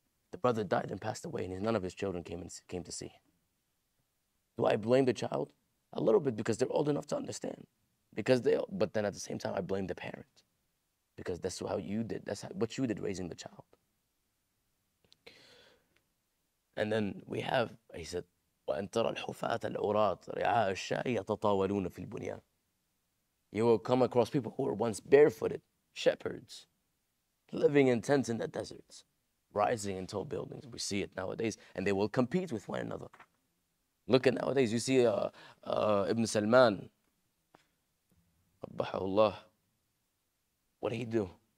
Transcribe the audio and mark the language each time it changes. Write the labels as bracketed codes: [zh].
[en] The brother died and passed away and none of his children came to see. Do I blame the child? A little bit, because they're old enough to understand. But then at the same time, I blame the parent. Because that's how you did. That's what you did raising the child. And then we have, he said, [ar] وَأَن تَرَى الْحُفَاةَ الْعُرَاتَ رِعَاءَ الشَّاءِ يَتَطَاوَلُونَ فِي الْبُنْيَانِ. [en] You will come across people who were once barefooted, shepherds, living in tents in the deserts, rising in tall buildings. We see it nowadays, and they will compete with one another. Look at nowadays, you see Ibn Salman, [ar] رَبَّحَهُ اللَّهُ, [en] what did he do?